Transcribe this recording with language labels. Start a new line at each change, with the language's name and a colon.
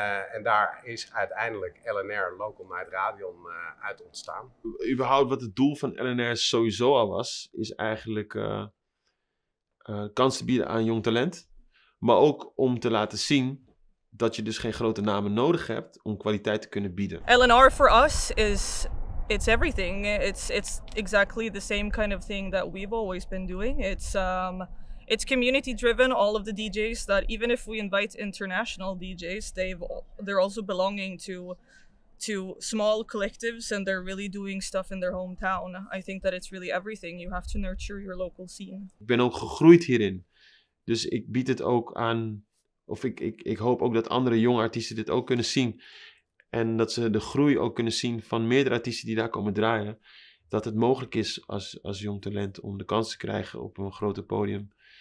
Dutch: En daar is uiteindelijk LNR Local Night Radion uit ontstaan. Überhaupt wat het doel van LNR sowieso al was, is eigenlijk kansen bieden aan jong talent. Maar ook om te laten zien dat je dus geen grote namen nodig hebt om kwaliteit te kunnen bieden.
English: LNR for us is... It's everything. It's exactly the same kind of thing that we've always been doing. It's community driven. All of the DJs that even if we invite international DJs, they're also belonging to small collectives and they're really doing stuff in their hometown. I think that it's really everything. You have to nurture your local scene.
Dutch: Ik ben ook gegroeid hierin. Dus ik bied het ook aan, of ik hoop ook dat andere jonge artiesten dit ook kunnen zien. En dat ze de groei ook kunnen zien van meerdere artiesten die daar komen draaien. Dat het mogelijk is als jong talent om de kans te krijgen op een groter podium.